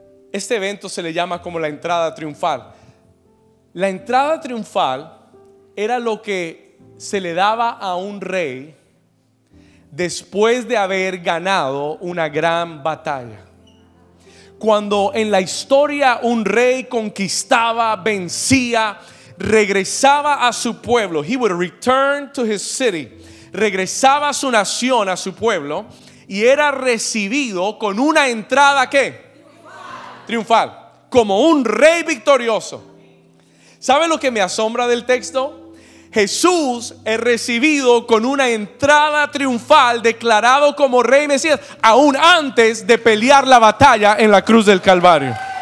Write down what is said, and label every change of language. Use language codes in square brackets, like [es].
[es] Este evento se le llama como la entrada triunfal. La entrada triunfal era lo que se le daba a un rey después de haber ganado una gran batalla. Cuando en la historia un rey conquistaba, vencía, regresaba a su pueblo. [en] He would return to his city. [es] Regresaba a su nación, a su pueblo, y era recibido con una entrada ¿qué? Triunfal, como un rey victorioso. ¿Sabe lo que me asombra del texto? Jesús es recibido con una entrada triunfal, declarado como rey Mesías, aún antes de pelear la batalla en la cruz del Calvario.